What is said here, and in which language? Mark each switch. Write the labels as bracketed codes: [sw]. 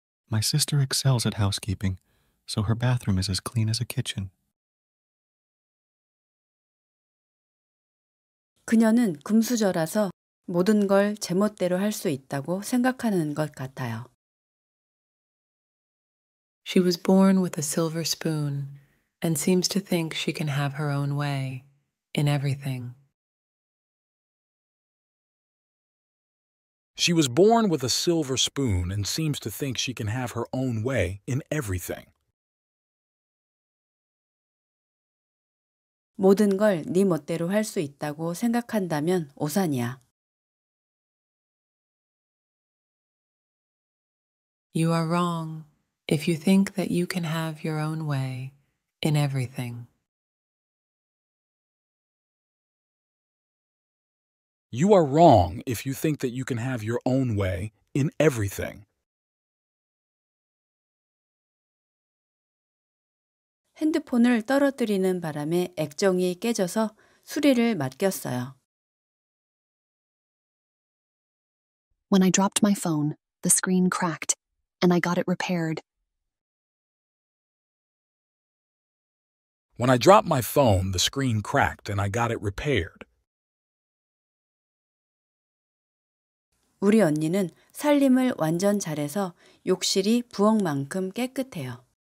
[en] My sister excels at housekeeping, so her bathroom is as clean as a kitchen. [ko] 그녀는 금수저라서 모든 걸 제멋대로 할 수 있다고 생각하는 것 같아요. [en] She was born with a silver spoon and seems to think she can have her own way in everything. She was born with a silver spoon and seems to think she can have her own way in everything. [ko] 모든 걸 네 멋대로 할 수 있다고 생각한다면 오산이야. [en] You are wrong if you think that you can have your own way in everything. You are wrong if you think that you can have your own way in everything. [ko] 핸드폰을 떨어뜨리는 바람에 액정이 깨져서 수리를 맡겼어요. [en] When I dropped my phone, the screen cracked, and I got it repaired. When I dropped my phone, the screen cracked, and I got it repaired. [ko] 우리 언니는 살림을 완전 잘해서 욕실이 부엌만큼 깨끗해요.